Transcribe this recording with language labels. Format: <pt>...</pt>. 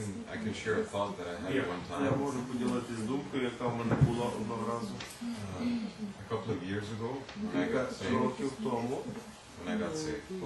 <en>I can share a thought that I had one time.</en> <uk>Я можу поділитися думкою, яка в мене була одного разу.</uk> <en>A couple of years ago, when I got saved.</en>